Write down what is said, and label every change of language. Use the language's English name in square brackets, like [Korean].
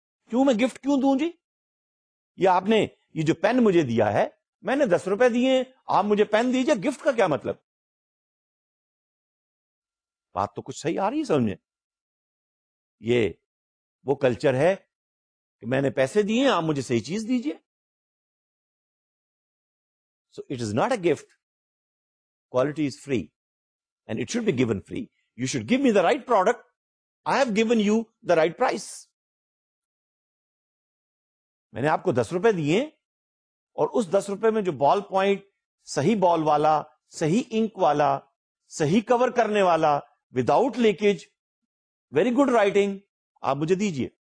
[Urdu] کیوں میں گفٹ کیوں دوں جی؟ یہ آپ نے یہ جو پین مجھے دیا ہے, میں نے 10 روپے دیے, آپ مجھے پین دیجیے, گفٹ کا کیا مطلب؟ بات تو کچھ صحیح آ رہی ہے سمجھ میں. یہ وہ کلچر ہے کہ میں نے پیسے دیے, آپ مجھے صحیح چیز دیجیے. [English] So it is not a gift, quality is free and it should be given free. You should give me the right product, I have given you the right price. [Urdu] میں نے آپ کو 10 روپے دیے اور اس 10 روپے میں جو بال پوائنٹ, صحیح بال والا, صحیح انک والا, صحیح کور کرنے والا, [English] without leakage, very good writing, [Urdu] آپ مجھے دیجیے.